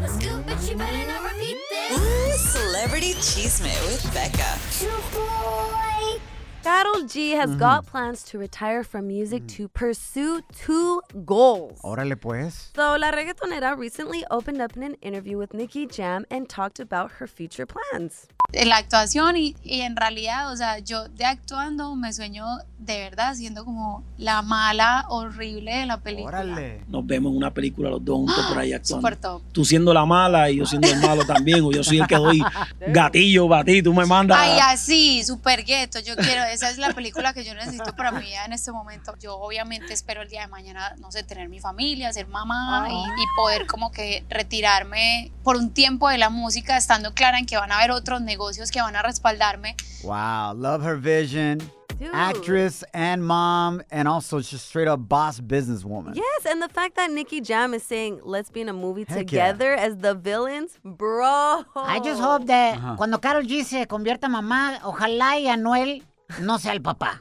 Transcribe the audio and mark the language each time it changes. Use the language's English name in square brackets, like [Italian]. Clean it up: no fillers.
[English] Celebrity Cheesemate with Becca. Karol G has got plans to retire from music to pursue two goals. [Spanish] Órale pues. [English] So La Reggaetonera recently opened up in an interview with Nicki Jam and talked about her future plans. [Spanish] En la actuación y en realidad, o sea, yo de actuando me sueño de verdad siendo como la mala horrible de la película. Órale. Nos vemos en una película los dos juntos por ahí actuando. [English] Super top. [Spanish] Tú siendo la mala y yo siendo el malo también, o yo soy el que doy gatillo para ti, tú me mandas. Ay, así, super gueto. Yo quiero, esa es la película que yo necesito para mi vida en este momento. Yo obviamente espero el día de mañana, no sé, tener mi familia, ser mamá y poder como que retirarme por un tiempo de la música, estando clara en que van a haber otros negocios que van a respaldarme. [English] Wow, love her vision. Dude. Actress and mom, and also just straight up boss businesswoman. Yes, and the fact that Nicki Jam is saying, let's be in a movie together as the villains, bro. I just hope that [Spanish] cuando Karol G se convierta en mamá, ojalá y Anuel no sea el papá.